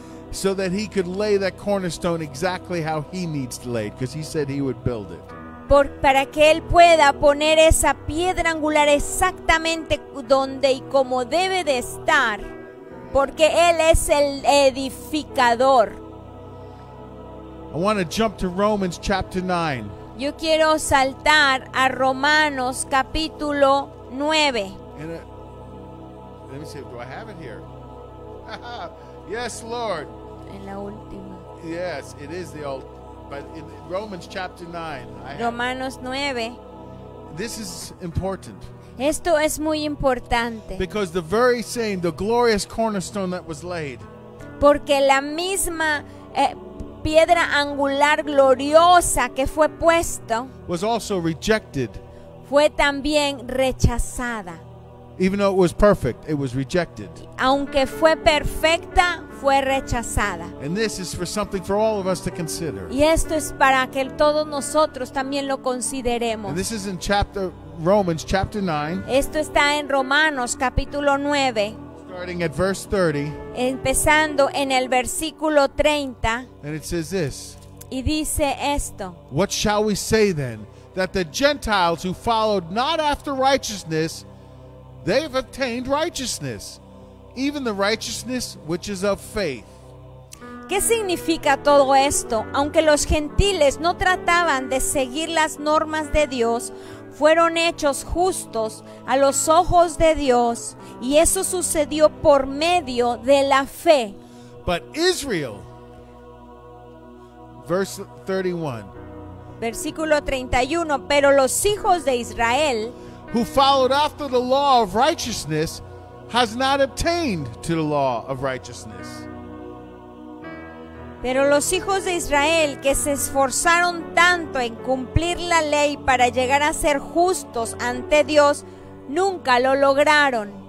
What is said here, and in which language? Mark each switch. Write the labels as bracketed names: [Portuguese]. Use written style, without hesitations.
[English] So that he could lay that cornerstone exactly how he needs to lay it, because he said he would build it. [Spanish] Para que él pueda poner esa piedra angular exactamente donde y como debe de estar. Porque Él es el edificador. [English] I want to jump to Romans chapter 9. [Spanish] Yo quiero saltar a Romanos capítulo 9. [English] Let me see, do I have it here? Yes, Lord. [Spanish] En la última. [English] Yes, it is the old. But in Romans chapter 9. [Spanish] Romanos 9. [English] This is important. [Spanish] Esto es muy importante. [English] Because the very same, the glorious cornerstone that was laid. [Spanish] Porque la misma piedra angular gloriosa que fue puesto [English] was also rejected. [Spanish] Fue también rechazada. [English] Even though it was perfect, it was rejected. [Spanish] Aunque fue perfecta, fue rechazada. [English] And this is for something for all of us to consider. [Spanish] Y esto es para que todos nosotros también lo consideremos. [English] And this is in chapter Romans chapter 9. [Spanish] Esto está en Romanos capítulo 9. [English] Starting at verse 30. [Spanish] Empezando en el versículo 30. [English] And it says this. [Spanish] Y dice esto. [English] What shall we say then? That the Gentiles who followed not after righteousness, they've obtained righteousness, even the righteousness which is of faith. [Spanish] ¿Qué significa todo esto? Aunque los gentiles no trataban de seguir las normas de Dios, fueron hechos justos a los ojos de Dios, y eso sucedió por medio de la fe. [English] But Israel, verse 31, [Spanish] Versículo 31, pero los hijos de Israel, [English] who followed after the law of righteousness, has not obtained to the law of righteousness. [Spanish] Pero los hijos de Israel, que se esforzaron tanto en cumplir la ley para llegar a ser justos ante Dios, nunca lo lograron.